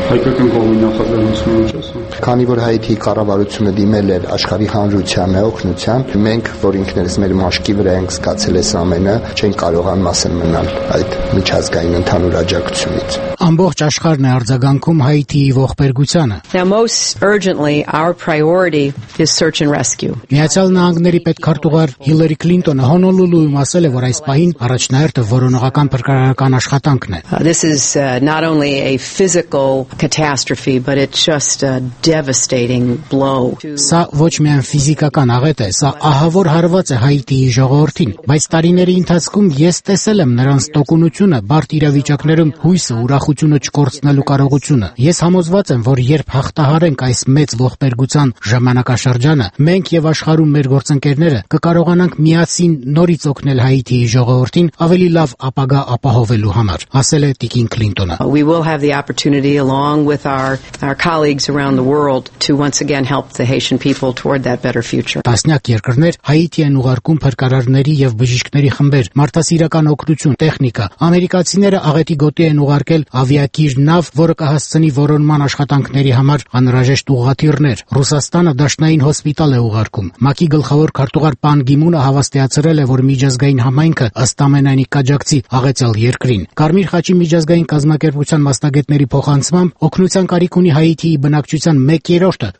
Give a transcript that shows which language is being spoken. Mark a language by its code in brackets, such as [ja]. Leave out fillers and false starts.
[hy] Հայկական կողմի նախաձեռնությունը ասում, քանի որ Հայթի կառավարությունը դիմել էր աշխարհի հանրության օգնությամբ, մենք, որ ինքներս մեր մաշկի վրա ենք զգացել այս ամենը, չենք կարողան մասն մնալ այդ միջազգային ընդհանուր աջակցությունից։ Ամբողջ աշխարհն է արձագանքում Հայթիի ողբերգությանը։ [en] Our priority is search and rescue. [hy] Միացյալ Նահանգների պետքարտուղար Հիլերի Քլինտոնը Հոնոլուլուում ասել է, որ այս պահին առաջնահերթը որոնողական փրկարարական աշխատանքն է։ [en] This is not only a physical catastrophe, but it's just a devastating blow. [hy] Սա ոչ միայն ֆիզիկական աղետ է, սա ահավոր հարված է Հայտիի ժողովրդին, բայց տարիների ընթացքում ես տեսել եմ նրանց տոկունությունը, բարդ իրավիճակներում հույսը, ուրախությունը չկորցնելու կարողությունը։ Ես համոզված եմ, որ երբ հաղթահարենք այս մեծ ողբերգության ժամանակաշրջանը, մենք եւ աշխարհում մեր գործընկերները կկարողանանք միասին նորից օգնել Հայիթիի ժողովրդին ավելի լավ ապագա ապահովելու համար, ասել է Տիկին Քլինտոնը։ [en] We will have the opportunity along with our colleagues around the world to once again help the Haitian people toward that better future։ [hy] Տասնյակ երկրներ Հայիթի են ուղարկում փրկարարների եւ բժիշկների խմբեր, մարդասիրական օգնություն, տեխնիկա։ Ամերիկացիները աղետի գոտի են ուղարկել ավիակիր նավ, որը կհասցնի որոնման աշխատանքների համար անհրաժեշտ ուղղաթիռներ։ Ռուսաստանը դաշնային հոսպիտալ է ուղարկում։ ՄԱԿ-ի գլխավոր քարտուղար Պան Գիմունը հավաստիացրել է, որ միջազգային համայնքը ըստ ամենայնի կաջակցի աղեցալ երկրին։ Կարմիր խաչի միջազգային կազմակերպության մասնագետների փոխանցմամբ օգնության կարիք ունի Հայիթիի բնակչության 1/3-ը,